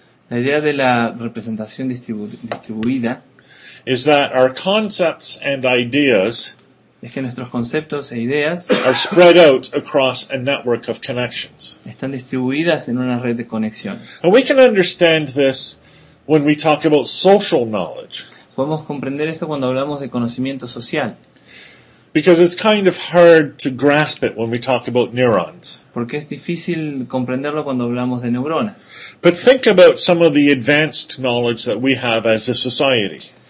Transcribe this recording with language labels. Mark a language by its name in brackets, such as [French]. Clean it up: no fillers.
[Spanish] La idea de la representación distribuida. [English] Is that our concepts and ideas [Spanish] es que nuestros conceptos e ideas [English] are spread out across a network of connections. [Spanish] Están distribuidas en una red de conexiones. [English] And we can understand this when we talk about social knowledge. [Spanish] Podemos comprender esto cuando hablamos de conocimiento social. [English] Because it's kind of hard to grasp it when we talk about neurons. [Spanish] Porque es difícil comprenderlo cuando hablamos de neuronas. [English] But think about some of the advanced knowledge that we have as a society.